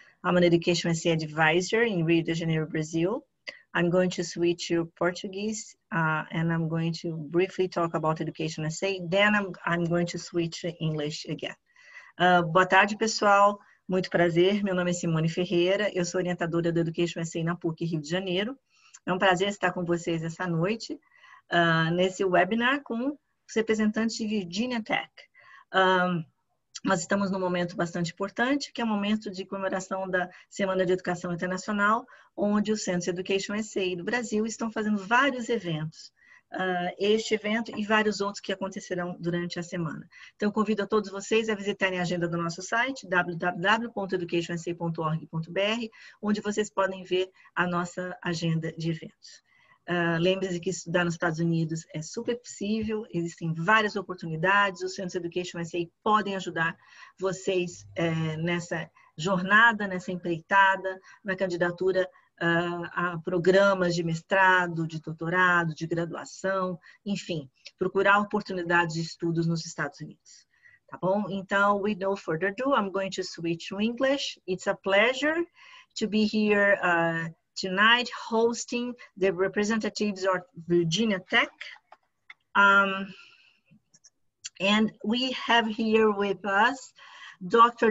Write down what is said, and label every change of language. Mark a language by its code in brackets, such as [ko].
[en] I'm an education and advisor in Rio de Janeiro, Brazil. I'm going to switch to Portuguese and I'm going to briefly talk about education essay, then I'm going to switch to English again. [pt] Boa tarde, pessoal. Muito prazer. Meu nome é Simone Ferreira. Eu sou orientadora do Education Essay na PUC Rio de Janeiro. É um prazer estar com vocês essa noite nesse webinar com os representantes de Virginia Tech. Nós estamos num momento bastante importante, que é o momento de comemoração da Semana de Educação Internacional, onde o Centro EducationUSA do Brasil estão fazendo vários eventos. Este evento e vários outros que acontecerão durante a semana. Então, convido a todos vocês a visitarem a agenda do nosso site, www.educationusa.org.br, onde vocês podem ver a nossa agenda de eventos. Lembre-se que estudar nos Estados Unidos é super possível, existem várias oportunidades, os Centros EducationUSA podem ajudar vocês nessa jornada, nessa empreitada, na candidatura a programas de mestrado, de doutorado, de graduação, enfim, procurar oportunidades de estudos nos Estados Unidos. Tá bom? [en] Então, with no further ado, I'm going to switch to English. It's a pleasure to be here tonight hosting the representatives of Virginia Tech. And we have here with us Dr.